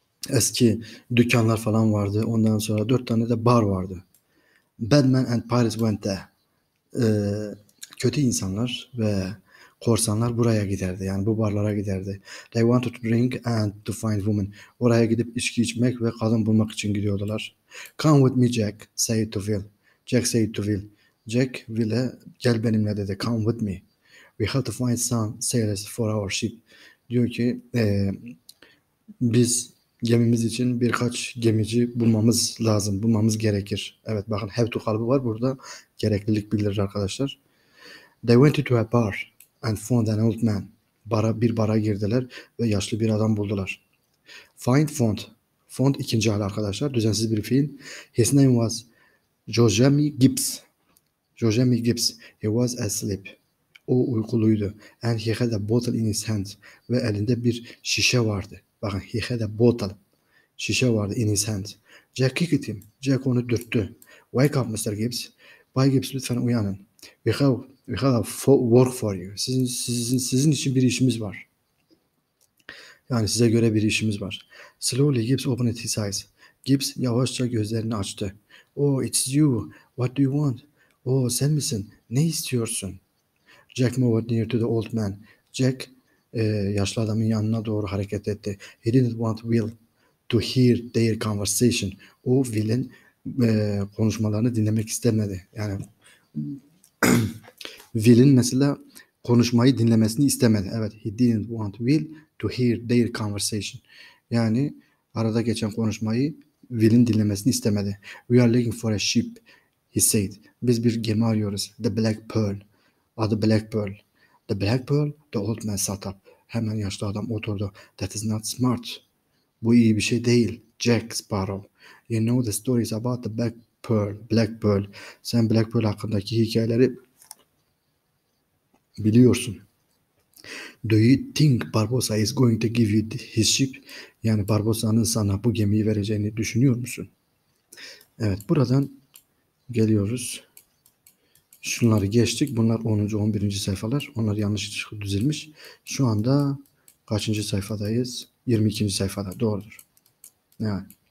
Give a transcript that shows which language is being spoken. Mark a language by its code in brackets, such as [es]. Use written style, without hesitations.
[tr] Eski dükkanlar falan vardı. Ondan sonra dört tane de bar vardı. [en] Batman and Pirates went there. [tr] Kötü insanlar ve korsanlar buraya giderdi. Yani bu barlara giderdi. [en] They wanted to drink and to find women. [tr] Oraya gidip içki içmek ve kadın bulmak için gidiyordular. [en] Come with me Jack, say it to Will. Jack say it to Will. [tr] Jack, Will'e gel benimle dedi. [en] Come with me. We have to find some sailors for our ship. [tr] Diyor ki biz gemimiz için birkaç gemici bulmamız lazım. Bulmamız gerekir. Evet, bakın have to kalıbı var burada. Gereklilik bildirir arkadaşlar. [en] They went into a bar and found an old man. [tr] Bir bara girdiler ve yaşlı bir adam buldular. [en] Find found. [tr] Found ikinci hal arkadaşlar. Düzensiz bir fiil. [en] His name was Jojemy Gibbs. Jojemy Gibbs. He was asleep. [tr] O uykuluydu. [en] And he had a bottle in his hand. [tr] Ve elinde bir şişe vardı. Bakın [en] he had a bottle. [tr] Şişe vardı [en] in his hand. Jack kicked him. [tr] Jack onu dürttü. [en] Wake up Mr. Gibbs. [tr] Bay Gibbs lütfen uyanın. [en] We have a work for you. [tr] Sizin için bir işimiz var. Yani size göre bir işimiz var. [en] Slowly Gibbs opened his eyes. [tr] Gibbs yavaşça gözlerini açtı. [en] Oh, it's you. What do you want? Oh, [tr] sen misin? Ne istiyorsun? [en] Jack moved near to the old man. [tr] Jack yaşlı adamın yanına doğru hareket etti. [en] He didn't want Will to hear their conversation. [tr] O Will'in konuşmalarını dinlemek istemedi. Yani Will'in mesela konuşmayı dinlemesini istemedi. [en] Evet, he didn't want Will to hear their conversation. [tr] Yani arada geçen konuşmayı Will'in dinlemesini istemedi. [en] We are looking for a ship, he said. [tr] Biz bir gemi arıyoruz. [en] The Black Pearl. [tr] Adı [en] Black Pearl. The Black Pearl, the old man sat up. [tr] Hemen yaşlı adam oturdu. [en] That is not smart. [tr] Bu iyi bir şey değil. Jack Sparrow. [en] You know the stories about the Black Pearl. Black Pearl. [tr] Sen Black Pearl hakkındaki hikayeleri biliyorsun. [en] Do you think Barbossa is going to give you his ship? [tr] Yani Barbossa'nın sana bu gemiyi vereceğini düşünüyor musun? Evet, buradan geliyoruz. Şunları geçtik. Bunlar 10. 11. sayfalar. Onlar yanlış düzilmiş. Şu anda kaçıncı sayfadayız? 22. sayfada. Doğrudur. Yani.